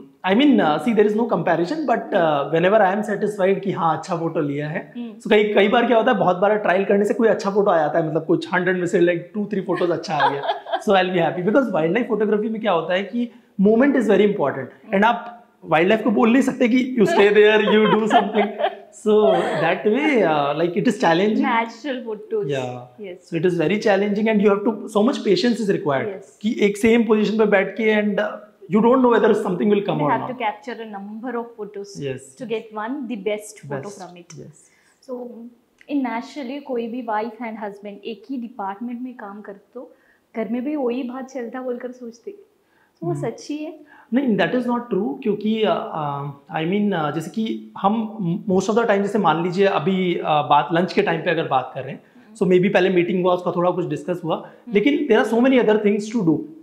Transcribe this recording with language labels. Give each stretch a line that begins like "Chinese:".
English: I mean see there is no comparison but whenever I am satisfied
Hindi: कि हाँ अच्छा photo लिया है. सो कई कई बार क्या होता है, बहुत बार ट्रायल करने से कोई अच्छा फोटो आ जाता है, मतलब कुछ 100 में से लाइक 2-3 फोटोज अच्छा आ गया.
English: so I will be happy because wild life photography
Hindi: में क्या होता है कि
English: Moment is very important.
Hindi: And आप वाइल्ड लाइफ को बोल नहीं सकते कि
English: You stay there, you do something. So that way, like it is challenging. Natural photos. Yeah. Yes. So it is very challenging, and you have to so much patience is required. Yes.
Hindi: कि एक
English: same position
Hindi: पे बैठ के
English: and you don't know whether something will come out. You have to capture a number of photos. Yes. To get one the best photo from it. Yes. So in naturally
Hindi: कोई भी
English: wife and husband
Hindi: एक ही department में काम करते तो घर में भी वही बात चलता बोलकर सोचते. So वो सच्ची है? नहीं,
English: That is not true.
Hindi: क्योंकि
English: I mean
Hindi: जैसे कि हम
English: most of the time,
Hindi: जैसे मान लीजिए अभी बात लंच के टाइम पे अगर बात कर रहे हैं,
English: so maybe
Hindi: पहले मीटिंग हुआ, उसका थोड़ा कुछ डिस्कस हुआ, लेकिन
English: There are so many other things to do.